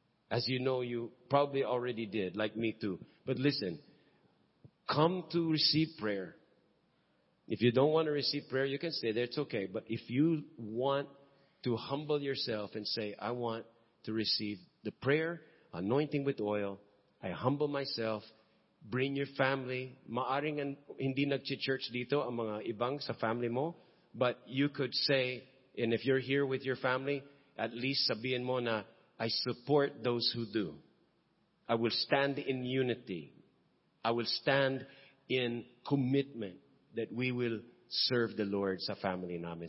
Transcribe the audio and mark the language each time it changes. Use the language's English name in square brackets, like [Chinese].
[English] As you know, you probably already did, like me too. But listen, come to receive prayer. If you don't want to receive prayer, you can stay there. It's okay. But if you want to humble yourself and say, I want to receive the prayer, anointing with oil, I humble myself, bring your family. [Filipino] Maaring hindi nag-church dito ang mga ibang sa family mo. [English] But you could say, and if you're here with your family, [Filipino] at least sabihin mo na, [English] I support those who do. I will stand in unity. I will stand in commitment that we will serve the Lord [Filipino] sa family namin.